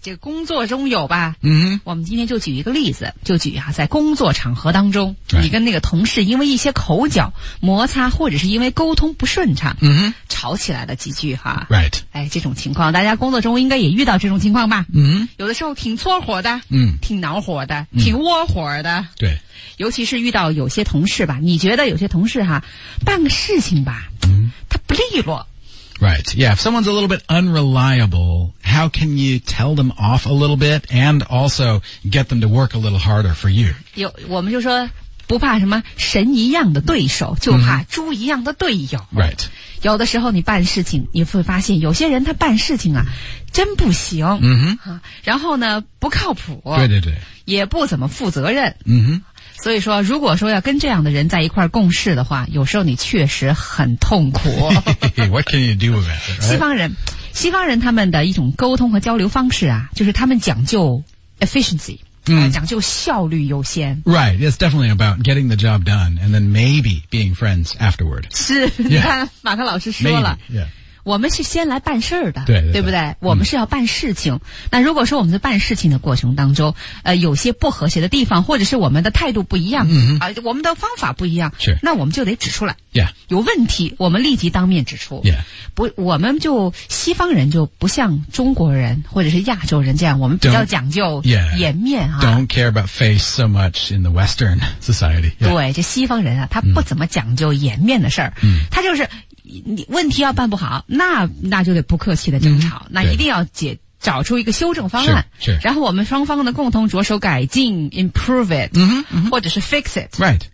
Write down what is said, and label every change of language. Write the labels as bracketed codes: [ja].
[zh] 这个工作中有吧、我们今天就举一个例子，就举啊，在工作场合当中、你跟那个同事因为一些口角摩擦，或者是因为沟通不顺畅、吵起来了几句哈、哎，这种情况大家工作中应该也遇到这种情况吧、有的时候挺搓火的、挺恼火的、挺窝火的、对，尤其是遇到有些同事吧，你觉得有些同事哈，办个事情吧，他不利落。 [en] Right, yeah, if someone's a little bit unreliable, how can you tell them off a little bit and also get them to work a little harder for you? [zh] 有，我们就说不怕什么神一样的对手，就怕猪一样的队友。 [en] Right. [zh] 有的时候你办事情，你会发现有些人他办事情啊，真不行。然后呢，不靠谱。对。也不怎么负责任。所以说如果说要跟这样的人在一块共事的话，有时候你确实很痛苦。 [en] What can you do about it?、right? [zh] 西方人他们的一种沟通和交流方式啊，就是他们讲究 efficiency,、讲究效率优先。 [en] Right, it's definitely about getting the job done and then maybe being friends afterward. [zh] 是、你看马克老师说了。 [en] Maybe, [zh] 我们是先来办事儿的，对不对？我们是要办事情。那如果说我们在办事情的过程当中，有些不和谐的地方，或者是我们的态度不一样，我们的方法不一样，是，那我们就得指出来。 [en] Yeah. [zh] 有问题，我们立即当面指出。 [en] Yeah. [zh] 不，我们就西方人就不像中国人或者是亚洲人这样，我们比较讲究颜面啊。 [en] Don't care about face so much in the Western society.、 Yeah. [zh] 对，这西方人啊，他不怎么讲究颜面的事儿，他就是。问题要办不好，那就得不客气的争吵、那一定要找出一个修正方案，是，然后我们双方的共同着手改进 ， [en] improve it， [zh] 或者是 [en] fix it， right，